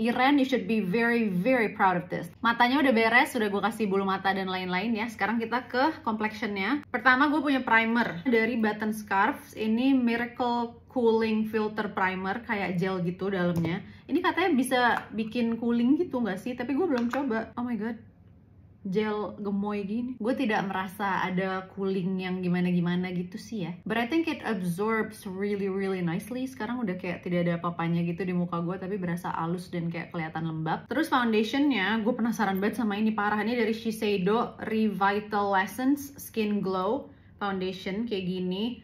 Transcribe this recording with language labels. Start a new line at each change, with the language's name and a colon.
English: Iren, you should be very, very proud of this.
Indonesian: Matanya udah beres, sudah gue kasih bulu mata dan lain-lain ya. Sekarang kita ke complexion-nya. Pertama gue punya primer dari Button Scarves. Ini Miracle Cooling Filter Primer, kayak gel gitu dalamnya. Ini katanya bisa bikin cooling gitu nggak sih? Tapi gue belum coba.
English: Oh my god,
Indonesian: gel gemoy gini. Gue tidak merasa ada cooling yang gimana-gimana gitu sih ya.
English: But I think it absorbs really, really nicely.
Indonesian: Sekarang udah kayak tidak ada apa-apanya gitu di muka gue, tapi berasa halus dan kayak kelihatan lembab. Terus foundationnya, gue penasaran banget sama ini, parah. Ini dari Shiseido Revitalescence Skin Glow Foundation, kayak gini.